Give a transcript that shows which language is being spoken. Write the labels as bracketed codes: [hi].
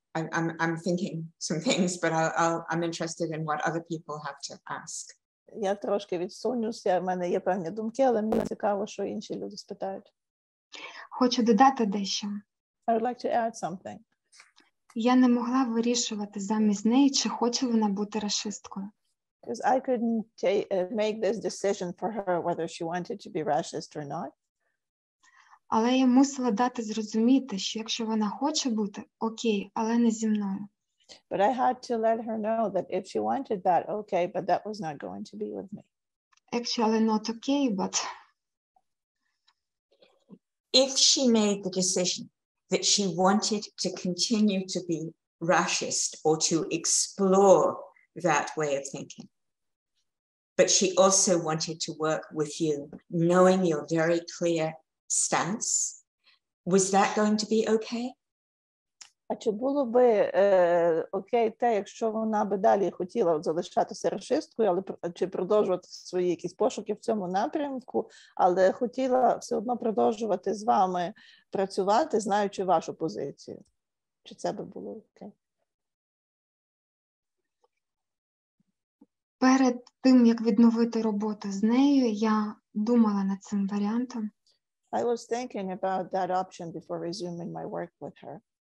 [en] I'm thinking some things, but I'm interested in what other people have to ask. [uk] Я трошки відсунюся, в мене є певні думки, але мені цікаво, що інші люди спитають. Хочу додати дещо. [en] I would like to add something. [uk] Я не могла вирішувати замість неї, чи хоче вона бути расисткою. [en] Because I couldn't make this decision for her whether she wanted to be racist or not. [uk] Але я мусила дати зрозуміти, що якщо вона хоче бути, окей, але не зі мною. [en] But I had to let her know that if she wanted that, okay, but that was not going to be with me. Actually, not okay, but... If she made the decision that she wanted to continue to be racist or to explore that way of thinking, but she also wanted to work with you, knowing your very clear stance, was that going to be okay? [uk] А чи було би окей те, якщо вона би далі хотіла залишатися расисткою, але чи продовжувати свої якісь пошуки в цьому напрямку, але хотіла все одно продовжувати з вами працювати, знаючи вашу позицію? Чи це би було окей? Перед тим, як відновити роботу з нею, я думала над цим варіантом. [en] I was thinking about that option before resuming my work with her.